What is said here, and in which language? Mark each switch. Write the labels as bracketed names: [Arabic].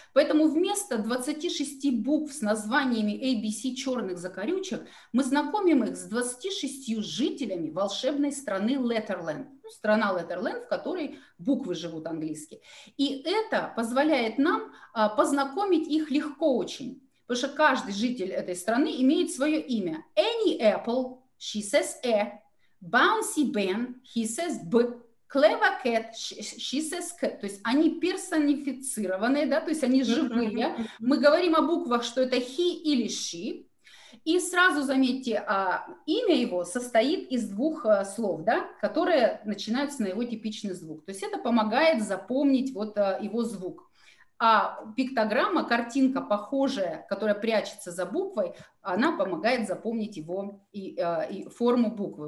[Russian] Поэтому вместо 26 букв с названиями ABC черных закорючек, мы знакомим их с 26 жителями волшебной страны Letterland. Страна Letterland, в которой буквы живут английские. И это позволяет нам познакомить их легко очень. Потому что каждый житель этой страны имеет свое имя. [English] Any apple, she says A. Bouncy Ben, he says B. Clever cat, she says cat. [Russian] То есть они персонифицированные, да, то есть они живые. Мы говорим о буквах, что это he или she. И сразу заметьте, имя его состоит из двух слов, да, которые начинаются на его типичный звук. То есть это помогает запомнить вот его звук. А пиктограмма, картинка похожая, которая прячется за буквой, она помогает запомнить его и форму буквы.